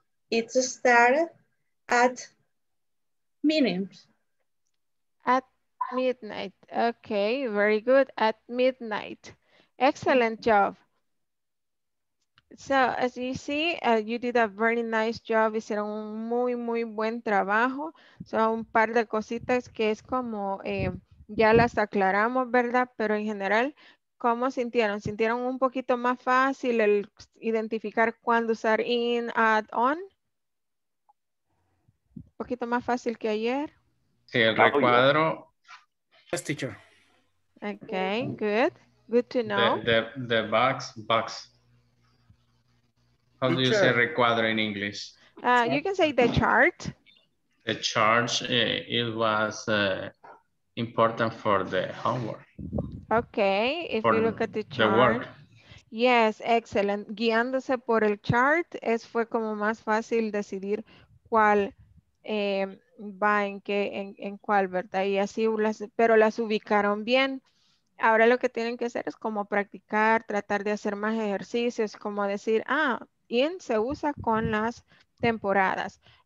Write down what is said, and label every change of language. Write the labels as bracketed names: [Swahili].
[English] It starts at midnight. Midnight. Okay, very good. At midnight. Excellent job. So, as you see, you did a very nice job. [Spanish] Hicieron un muy, muy buen trabajo. Son un par de cositas que es como ya las aclaramos, ¿verdad? Pero en general, ¿cómo sintieron? ¿Sintieron un poquito más fácil el identificar cuándo usar in, at, on? ¿Un poquito más fácil que ayer? Sí, el recuadro. [English] Oh, yeah. Yes, teacher. Okay, good. Good to know. The box. How teacher. Do you say recuadro in English? You can say the chart. The chart, it was important for the homework. Okay, if you look at the chart. The work. Yes, excellent. [Spanish] Guiándose por el chart, es fue como más fácil decidir cuál va en qué, en cuál, ¿verdad? Y así, pero las ubicaron bien. Ahora lo que tienen que hacer es como practicar, tratar de hacer más ejercicios, como decir, in se usa con las temporadas.